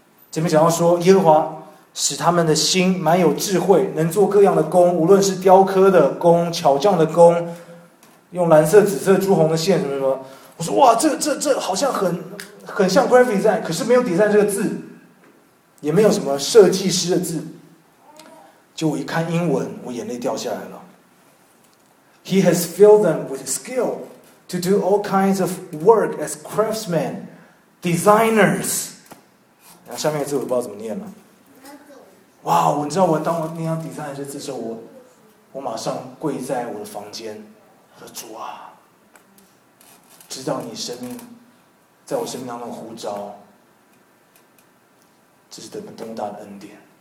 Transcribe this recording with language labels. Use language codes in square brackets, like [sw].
[zh] 前面讲到说，耶和华使他们的心满有智慧，能做各样的工，无论是雕刻的工、巧匠的工，用蓝色、紫色、朱红的线什么什么。我说哇，这好像很像 graphic design， 可是没有 design 这个字，也没有什么设计师的字。就我一看英文，我眼泪掉下来了。 [en] He has filled them with skill to do all kinds of work as craftsmen, designers。 [zh] 然后下面的字我不知道怎么念了。哇，我知道我当我念到 design 这字的时候，我马上跪在我的房间，说主啊，知道你生命在我生命当中的呼召，这是多么大的恩典。